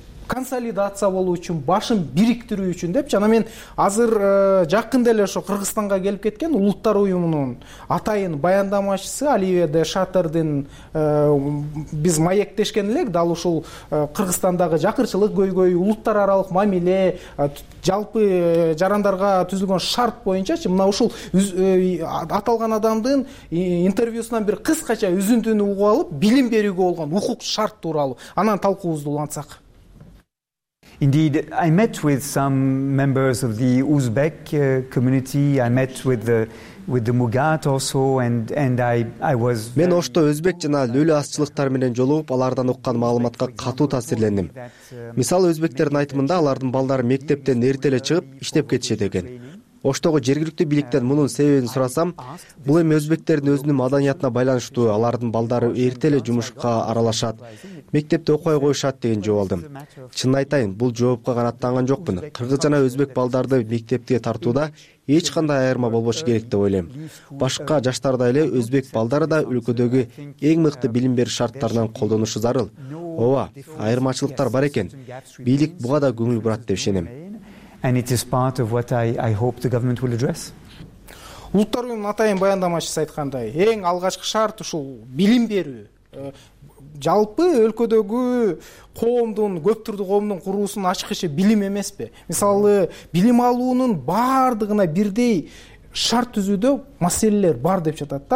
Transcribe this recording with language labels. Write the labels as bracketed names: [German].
[Kyrgyz] Консолидация болуу үчүн, башын бириктирүү үчүн депчи. Анан мен азыр жакында эле ошо Кыргызстанга келип кеткен Улуттар уюмунун атайын баяндамачысы Оливье де Шатердин биз маектешкен элек дал ушул Кыргызстандагы жакырчылык көйгөй, улуттар аралык мамиле, жалпы жарандарга түзүлгөн шарт боюнчачы. Мына ушул аталган адамдын интервьюсунан бир кыскача үзүндүнү угуп алып, билим берүүгө болгон укук шарт тууралуу анан талкуубузду улантсак. [English] Indeed, I met with some members of the Uzbek community. I met with the Mugat also, and I was. [Kyrgyz] Мен ошто өзбек жана лүлү азчылыктар менен жолугуп, алардан уккан маалыматка катуу таасирлендим. Мисалы, өзбектердин айтымында алардын балдары мектептен эрте эле чыгып иштеп кетишет экен. Оштогу жергиликтүү бийликтен мунун себебин сурасам, бул эми өзбектердин өзүнүн маданиятына байланыштуу, алардын балдары эрте эле жумушка аралашат, мектепте окубай коюшат деген жооп алдым. Чынын айтайын, бул жоопко канааттанган жокмун. Кыргыз жана өзбек балдарды мектепке тартууда эч кандай айырма болбошу керек деп ойлойм. Башка жаштар да эле өзбек балдары да өлкөдөгү эң мыкты билим берүү шарттарынан колдонушу зарыл. Ооба, айырмачылыктар бар экен. Бийлик буга да көңүл бурат деп ишенем. [English] And it is part of what I hope the government will address. [Kyrgyz] Улуттар уюмунун атайын баяндамачысы айткандай, эң алгачкы шарт ушул билим берүү. Жалпы өлкөдөгү коомдун, көп түрдүү коомдун куруусунун ачкычы билим эмеспи? Мисалы, билим алуунун баардыгына бирдей шарт түзүүдө маселелер бар деп жатат да.